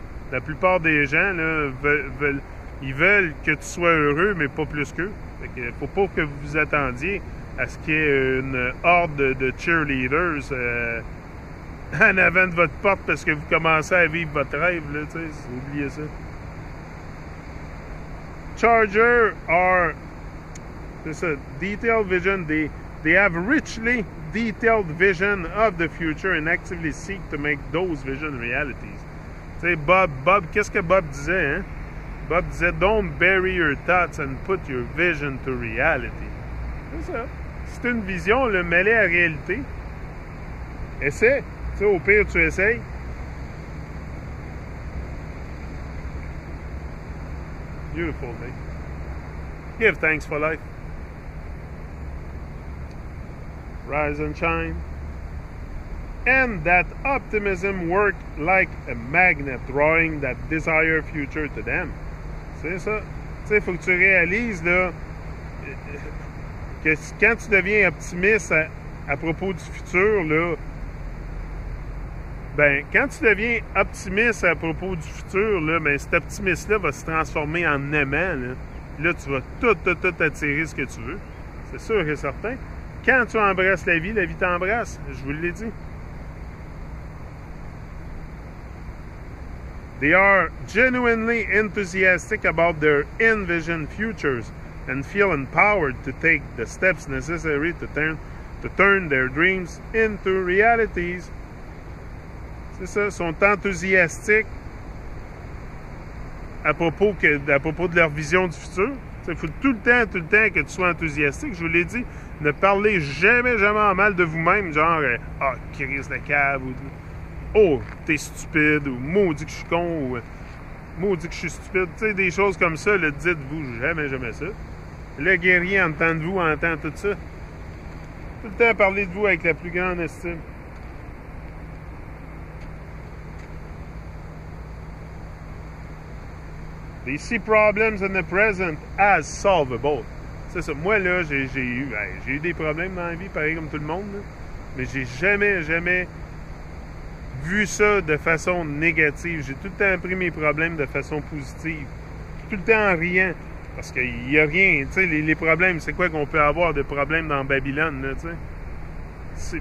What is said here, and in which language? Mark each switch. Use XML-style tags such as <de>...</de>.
<fr>La plupart des gens, là, veulent que tu sois heureux, mais pas plus qu'eux. Fait que pour pas que vous vous attendiez à ce qu'il y ait une horde de cheerleaders en avant de votre porte parce que vous commencez à vivre votre rêve, là, t'sais, oubliez ça.</fr> <en>Chargers are...</en> <fr>c'est ça,</fr> <en>detailed vision, they have richly detailed vision of the future and actively seek to make those visions realities.</en> <fr>Tu sais, Bob, qu'est-ce que Bob disait, hein? Bob disait,</fr> <en>don't bury your thoughts and put your vision to reality.</en> <fr>C'est ça. C'est une vision, le mêler à réalité. Essaie. Tu sais, au pire, tu essayes.</fr> <en>Beautiful day. Give thanks for life. Rise and shine. And that optimism work like a magnet drawing that desired future to them.</en> <fr>C'est ça. Tu sais, il faut que tu réalises là, que quand tu deviens optimiste à propos du futur, là, ben, quand tu deviens optimiste à propos du futur, là, ben, cet optimisme-là va se transformer en aimant. Là, là tu vas tout attirer ce que tu veux. C'est sûr et certain. Quand tu embrasses la vie t'embrasse. Je vous l'ai dit.</fr> <en>They are genuinely enthusiastic about their envisioned futures and feel empowered to take the steps necessary to turn their dreams into realities.</en> <fr>C'est ça. Ils sont enthousiastiques à propos de leur vision du futur. Il faut tout le temps que tu sois enthousiastique. Je vous l'ai dit, ne parlez jamais en mal de vous-même. Genre, ah, oh, crise de câble. Ou oh, t'es stupide. Ou maudit que je suis con. Ou maudit que je suis stupide. Tu sais, des choses comme ça, le dites-vous jamais ça. Le guerrier entend de vous, entend tout ça. Tout le temps, parlez de vous avec la plus grande estime.</fr> <en>They see problems in the present as solvable.</en> <fr>C'est ça. Moi, là, j'ai eu des problèmes dans la vie, pareil comme tout le monde. Là. Mais j'ai jamais vu ça de façon négative. J'ai tout le temps pris mes problèmes de façon positive. Tout le temps en riant. Parce qu'il n'y a rien. Tu sais, les problèmes, c'est quoi qu'on peut avoir de problèmes dans Babylone, là, tu sais?</fr>